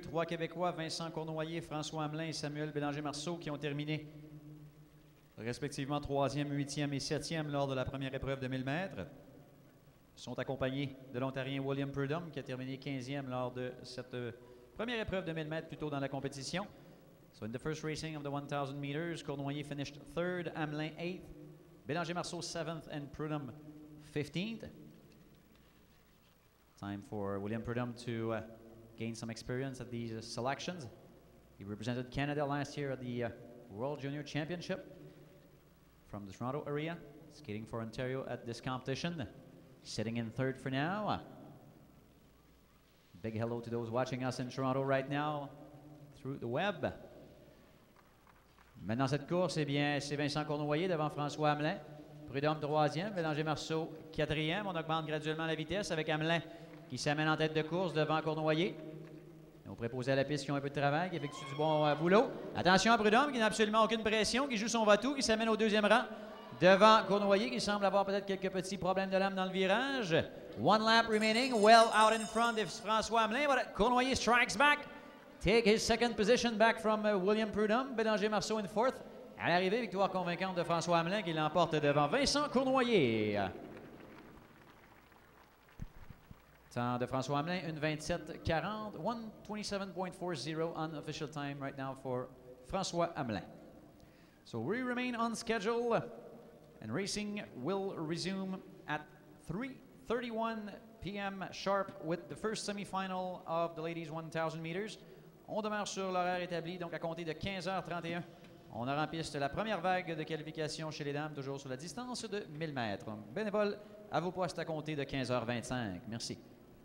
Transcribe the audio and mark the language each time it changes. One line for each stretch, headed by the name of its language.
French: Trois Québécois, Vincent Cournoyer, François Hamelin et Samuel Bélanger-Marceau, qui ont terminé respectivement troisième, huitième et septième lors de la première épreuve de 1000 mètres. Ils sont accompagnés de l'Ontarien William Prudhomme, qui a terminé 15e lors de cette première épreuve de 1000 mètres plus tôt dans la compétition.
English: So in the first racing of the 1,000 meters, Cournoyer finished third, Hamelin eighth, Bélanger-Marceau seventh and Prudhomme 15th. Time for William Prudhomme to gain some experience at these selections. He represented Canada last year at the World Junior Championship from the Toronto area, skating for Ontario at this competition. Sitting in third for now. Big hello to those watching us in Toronto right now through the web.
French: Maintenant cette course, eh bien, c'est Vincent Cournoyer devant François Hamelin. Prudhomme troisième, Bélanger-Marceau quatrième. On augmente graduellement la vitesse avec Hamelin qui s'amène en tête de course devant Cournoyer. Nos préposés à la piste qui ont un peu de travail, qui effectuent du bon boulot. Attention à Prudhomme, qui n'a absolument aucune pression, qui joue son va-tout, qui s'amène au deuxième rang devant Cournoyer, qui semble avoir peut-être quelques petits problèmes de lame dans le virage.
English: One lap remaining, well out in front of François Hamelin, but Cournoyer strikes back, take his second position back from William Prudhomme, Bélanger-Marceau in fourth.
French: À l'arrivée, victoire convaincante de François Hamelin, qui l'emporte devant Vincent Cournoyer. Temps de François Hamelin,
English: 1:27.40, 1:27.40 unofficial time right now for François Hamelin. So we remain on schedule, and racing will resume at 3:31 p.m. sharp with the first semi-final of the ladies 1,000 meters.
French: On demeure sur l'horaire établi, donc à compter de 15h31. On aura en piste la première vague de qualification chez les dames, toujours sur la distance de 1000 mètres. Bénévoles, à vos postes à compter de 15h25. Merci.